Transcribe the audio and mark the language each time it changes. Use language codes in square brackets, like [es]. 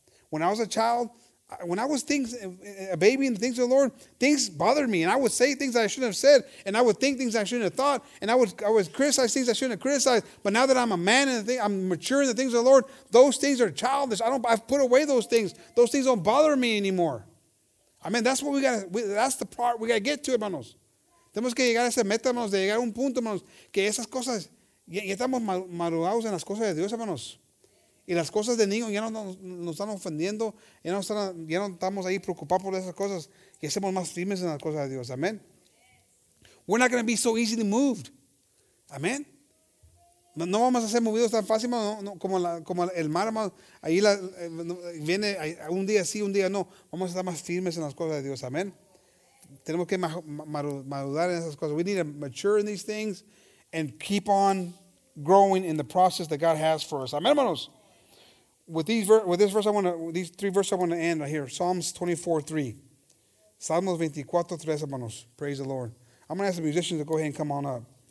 [en] When I was a child, when I was things, a baby in the things of the Lord, things bothered me. And I would say things I shouldn't have said. And I would think things I shouldn't have thought. And I would criticize things I shouldn't have criticized. But now that I'm a man and I'm mature in the things of the Lord, those things are childish. I've put away those things. Those things don't bother me anymore. I mean, that's what we got. That's the part we got to get to, hermanos. [es] Tenemos que llegar a esa meta, hermanos, de llegar a un punto, hermanos, que esas cosas, ya estamos madurados en las cosas de Dios, hermanos. Y las cosas de niño ya no nos están ofendiendo, ya no estamos ahí preocupados por esas cosas, y hacemos más firmes en las cosas de Dios. Amén. [en] We're not going to be so easily moved. Amén. [es] No vamos a ser movidos tan fácil, hermano, como el mar, hermano. Ahí viene un día sí, un día no. Vamos a estar más firmes en las cosas de Dios. Amén. Tenemos que madurar en esas cosas. [en] We need to mature in these things and keep on growing in the process that God has for us. Amén, hermanos. With these three verses I want to end right here. Psalms 24:3. Salmos 24:3, hermanos. Praise the Lord. I'm going to ask the musicians to go ahead and come on up.